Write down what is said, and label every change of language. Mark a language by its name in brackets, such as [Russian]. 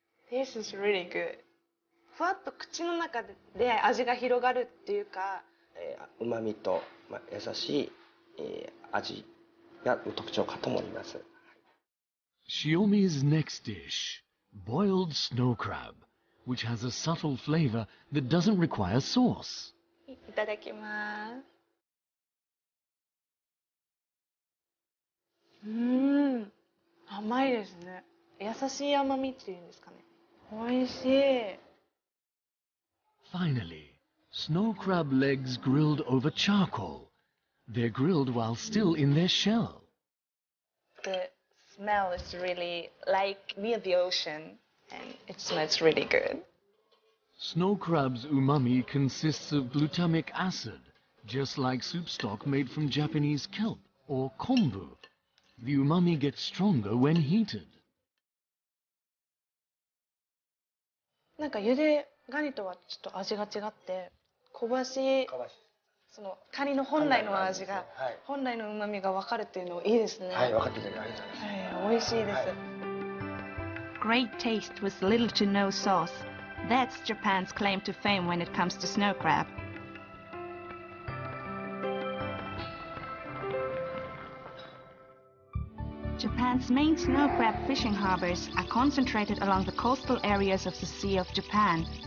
[English] This is really good. [Japanese] ふわっと口の中で味が広がるっていうか、うまみと、まあ、優しい、味が特徴かと思います。 [English] Shiomi's next dish, boiled snow crab, which has a subtle flavor that doesn't require sauce. [Japanese] いただきます。甘いですね。優しい甘みっていうんですかね。おいしい。 [English] Finally, snow crab legs grilled over charcoal. They're grilled while still in their shell. The smell is really like near the ocean, and it smells really good. Snow crab's umami consists of glutamic acid, just like soup stock made from Japanese kelp or kombu. The umami gets stronger when heated. [Japanese] なんか茹でガニとはちょっと味が違って香ばしい、そのカニの本来の味が、ね、はい、本来の旨味が分かるっていうのいいですね。はい、分かってくれてありがとうございます。はい、美味しいです、はい、 [English] Great taste with little to no sauce. That's Japan's claim to fame when it comes to snow crab. Japan's main snow crab fishing harbors are concentrated along the coastal areas of the Sea of Japan.